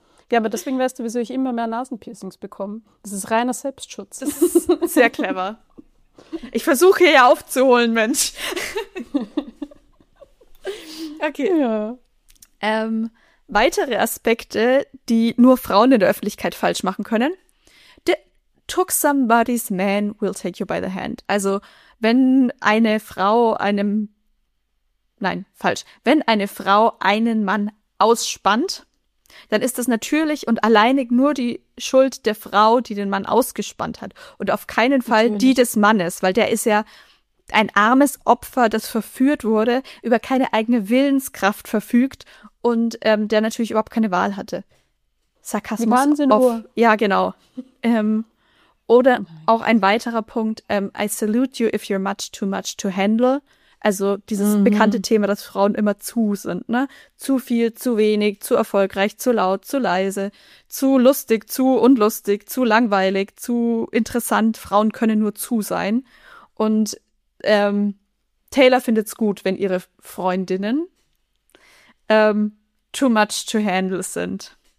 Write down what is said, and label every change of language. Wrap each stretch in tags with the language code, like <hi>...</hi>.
<de>Ja, aber deswegen weißt du, wieso ich immer mehr Nasenpiercings bekomme. Das ist reiner Selbstschutz. Das ist sehr clever. Ich versuche hier ja aufzuholen, Mensch. Okay. Ja. Weitere Aspekte, die nur Frauen in der Öffentlichkeit falsch machen können.</de> <en>Took somebody's man will take you by the hand.</en> <de>Also, wenn eine Frau einem... Nein, falsch. Wenn eine Frau einen Mann ausspannt, dann ist das natürlich und alleinig nur die Schuld der Frau, die den Mann ausgespannt hat. Und auf keinen Fall natürlich. Die des Mannes, weil der ist ja ein armes Opfer, das verführt wurde, über keine eigene Willenskraft verfügt und der natürlich überhaupt keine Wahl hatte. Sarkasmus. Wahnsinn. Ja, genau. Oder auch ein weiterer Punkt.</de> <en>I salute you if you're much to handle.</en> <de>Also dieses bekannte Thema, dass Frauen immer zu sind, ne? Zu viel, zu wenig, zu erfolgreich, zu laut, zu leise, zu lustig, zu unlustig, zu langweilig, zu interessant. Frauen können nur zu sein. Und Taylor findet's gut, wenn ihre Freundinnen</de> <en>too much to handle</en> <de>sind.</de>